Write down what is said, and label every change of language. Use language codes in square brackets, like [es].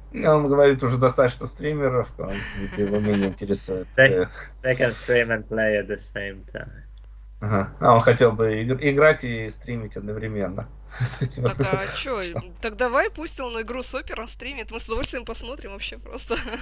[ru] Ну, он говорит, уже достаточно стримеров, он его меня интересует. [en] They can stream and play at the same time. [ru] Ага. А он хотел бы играть и стримить одновременно. Так, а чё? Так давай пусть он игру с опера стримит, мы с удовольствием посмотрим вообще просто.